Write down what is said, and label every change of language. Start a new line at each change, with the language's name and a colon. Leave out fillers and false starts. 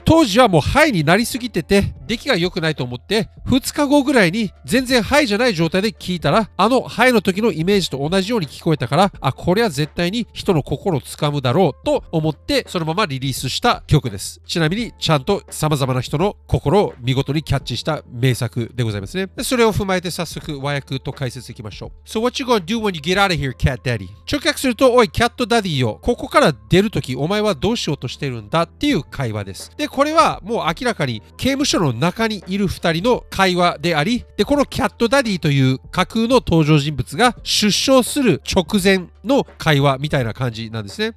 Japanese: 当時はもうハイになりすぎてて出来が良くないと思って、2日後ぐらいに全然ハイじゃない状態で聞いたら、あのハイの時のイメージと同じように聞こえたから、あ、これは絶対に人の心をつかむだろうと思って、そのままリリースした曲です。ちなみにちゃんと様々な人の心を見事にキャッチした名作でございますね。それを踏まえて早速和訳と解説いきましょう。
English: So what you gonna do when you get out of here, cat daddy?
Japanese: 直訳すると、おい、キャットダディよ。ここから出るとき、お前はどうしようとしてるんだっていう会話です。で、これはもう明らかに刑務所の中にいる二人の会話であり、で、このキャットダディという架空の登場人物が出生する直前の会話みたいな感じなんですね。